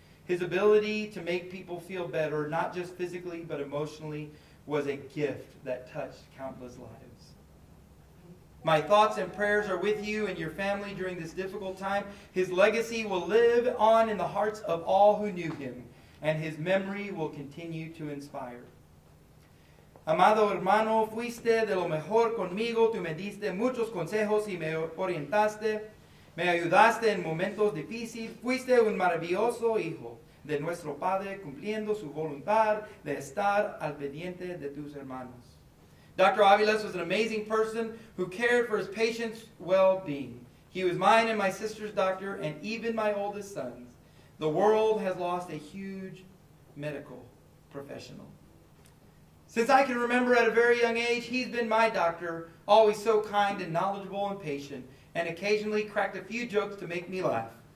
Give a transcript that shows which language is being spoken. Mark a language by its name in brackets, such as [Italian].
[English] His ability to make people feel better, not just physically, but emotionally, was a gift that touched countless lives. My thoughts and prayers are with you and your family during this difficult time. His legacy will live on in the hearts of all who knew him, and his memory will continue to inspire. [Spanish] Amado hermano, fuiste de lo mejor conmigo. Tú me diste muchos consejos y me orientaste. Me ayudaste en momentos difíciles. Fuiste un maravilloso hijo de nuestro padre, cumpliendo su voluntad de estar al pendiente de tus hermanos. [English] Dr. Aviles was an amazing person who cared for his patients' well-being. He was mine and my sister's doctor, and even my oldest son's. The world has lost a huge medical professional. Since I can remember at a very young age, he's been my doctor, always so kind and knowledgeable and patient, and occasionally cracked a few jokes to make me laugh.